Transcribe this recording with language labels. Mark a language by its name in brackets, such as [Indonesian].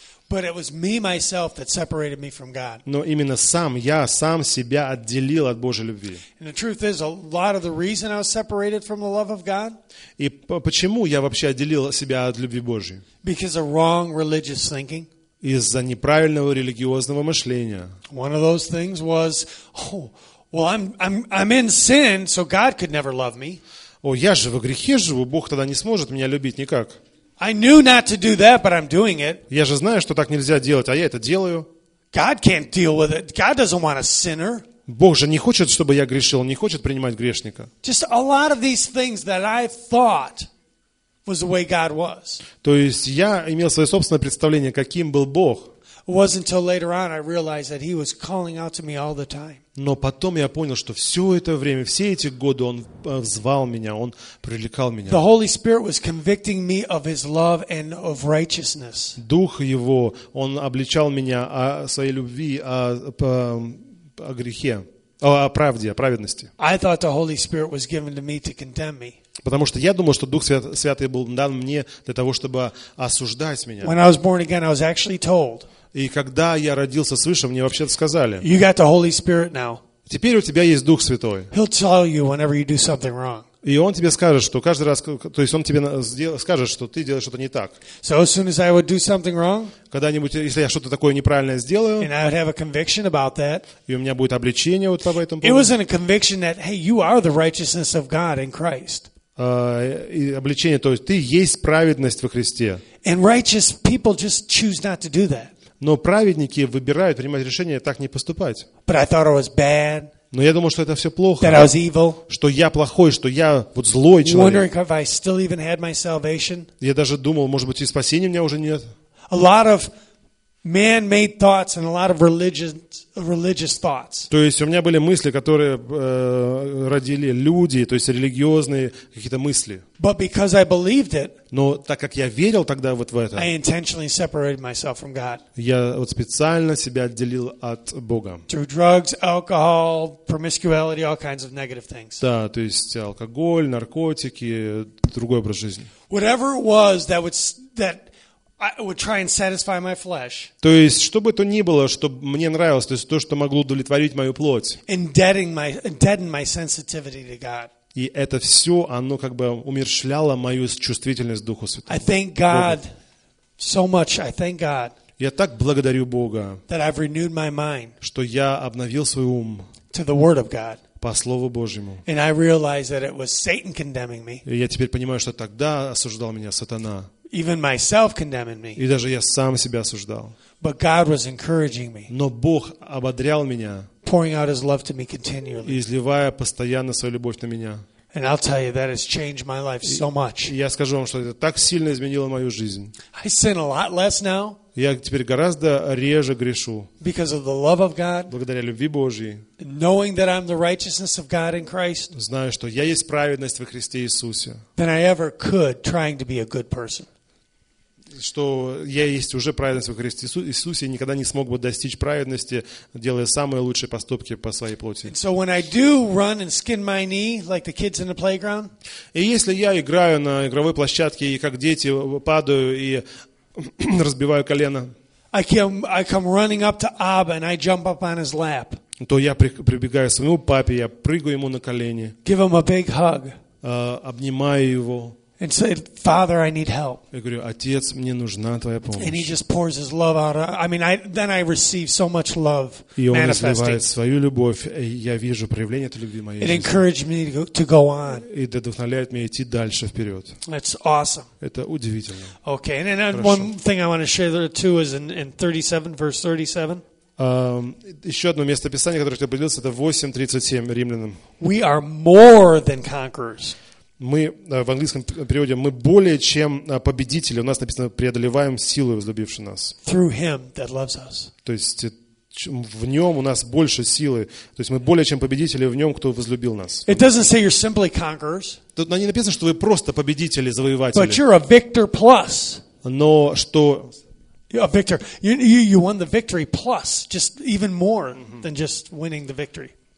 [English] But it was me myself that separated me from God. [Russian] Но именно сам я сам себя отделил от Божьей любви. [English] And the truth is, a lot of the reason I was separated from the love of God. [Russian] И почему я вообще отделил себя от любви Божьей? [English] Because of wrong religious thinking. [Russian] Из-за неправильного религиозного мышления. [English] One of those things was, oh, well, I'm in sin, so God could never love me. [Russian] О, я же во грехе живу, Бог тогда не сможет меня любить никак. [English] I knew not to do that, but I'm doing it. [Russian] Я же знаю, что так нельзя делать, а я это делаю. [English] God can't deal with it. God doesn't want a sinner. [Russian] Бог же не хочет, чтобы я грешил, не хочет принимать грешника. [English] Just a lot of these things that I thought was the way God was. [Russian] То есть я имел свое собственное представление, каким был Бог. [English] It wasn't until later on I realized that He was calling out to me all the time. [Russian] Но потом я понял, что все это время, все эти годы Он звал меня, Он привлекал меня. [English] The Holy Spirit was convicting me of His love and of righteousness. [Russian] Дух Его, Он обличал меня о своей любви, о грехе. правде, о праведности. [English] I thought the Holy Spirit was given to me to condemn me. [Russian] Потому что я думал, что Дух Святый был дан мне для того, чтобы осуждать меня. [English] When I was born again, I was actually told. [Russian] И когда я родился свыше, мне вообще-то сказали. [English] You got the Holy Spirit now. [Russian] Теперь у тебя есть Дух Святой. [English] He'll tell you whenever you do something wrong. [Russian] И он тебе скажет, что каждый раз, то есть он тебе скажет, что ты делаешь что-то не так. [English] So as soon as I would do something wrong, [Russian] когда-нибудь, если я что-то такое неправильное сделаю, [English] and I would have a conviction about that, [Russian] и у меня будет обличение вот об этом. [English] It was in a conviction that, hey, you are the righteousness of God in Christ. [Russian] Обличение, то есть ты есть праведность во Христе. [English] And righteous people just choose not to do that. [Russian] Но праведники выбирают принимать решение так не поступать. [English] But I thought it was bad. [Russian] Но я думал, что это все плохо. [English] That I was evil. [Russian] Что я плохой, что я вот злой человек. [English] Wondering if I still even had my salvation. [Russian] Я даже думал, может быть, и спасения у меня уже нет. [English] A lot of man-made thoughts and a lot of religious thoughts. [Russian] То есть у меня были мысли, которые родили люди, то есть религиозные какие-то мысли. [English] But because I believed it, [Russian] но так как я верил тогда вот в это, [English] I intentionally separated myself from God. [Russian] Я вот специально себя отделил от Бога. [English] Through drugs, alcohol, promiscuity, all kinds of negative things. [Russian] Да, то есть алкоголь, наркотики, другой образ жизни. [English] Whatever it was that would that I would try and satisfy my flesh. [Russian] То есть, что бы то ни было, что мне нравилось, то есть то, что могло удовлетворить мою плоть. [English] And deaden my sensitivity to God. [Russian] И это все, оно как бы умерщвляло мою чувствительность Духу Святому. [English] I thank God so much. I thank God. [Russian] Я так благодарю Бога. [English] That I've renewed my mind. [Russian] Что я обновил свой ум. [English] To the Word of God. [Russian] По Слову Божьему. [English] And I realized that it was Satan condemning me. [Russian] И я теперь понимаю, что тогда осуждал меня сатана. [English] Even myself condemning me. [Russian] И даже я сам себя осуждал. [English] But God was encouraging me. [Russian] Но Бог ободрял меня. [English] Pouring out His love to me continually. [Russian] И изливая постоянно свою любовь на меня. [English] And I'll tell you that has changed my life so much. [Russian] Я скажу вам, что это так сильно изменило мою жизнь. [English] I sin a lot less now. [Russian] Я теперь гораздо реже грешу. [English] Because of the love of God. [Russian] Благодаря любви Божьей. [English] Knowing that I'm the righteousness of God in Christ. [Russian] Знаю, что я есть праведность во Христе Иисусе. [English] Than I ever could trying to be a good person. [Russian] Что я есть уже праведность во Христе Иисусе, и никогда не смог бы достичь праведности, делая самые лучшие поступки по своей плоти. [English] And so when I do run and skin my knee, like the kids in the playground, [Russian] и если я играю на игровой площадке, и как дети падаю и разбиваю колено, [English] I come running up to Abba and I jump up on his lap. [Russian] То я прибегаю к своему папе, я прыгаю ему на колени. [English] Give him a big hug. [Russian] Обнимаю его. [English] And said, "Father, I need help." [Russian] Я говорю, отец, мне нужна твоя помощь. [English] And he just pours his love out. Then I receive so much love. [Russian] И он изливает свою любовь, и я вижу проявление этой любви в моей жизни. [English] It encouraged me to go on. [Russian] И вдохновляет меня идти дальше вперед. [English] That's awesome. [Russian] Это удивительно. [English] Okay, and then one thing I want to share there too is in 37, verse 37. [Russian] Еще одно место писания, которое я поделился, это 8:37 Римлянам. [English] We are more than conquerors. [Russian] Мы в английском переводе мы более чем победители. У нас написано преодолеваем силу, возлюбившую нас. [English] Through him that loves us. [Russian] То есть в нем у нас больше силы. То есть мы более чем победители в нем, кто возлюбил нас. [English] It doesn't say you're simply conquerors. [Russian] Тут не написано, что вы просто победители, завоеватели. [English] But you're a victor plus. [Russian] Но что? [English] A victor. You won the victory plus, just even more than just winning the victory.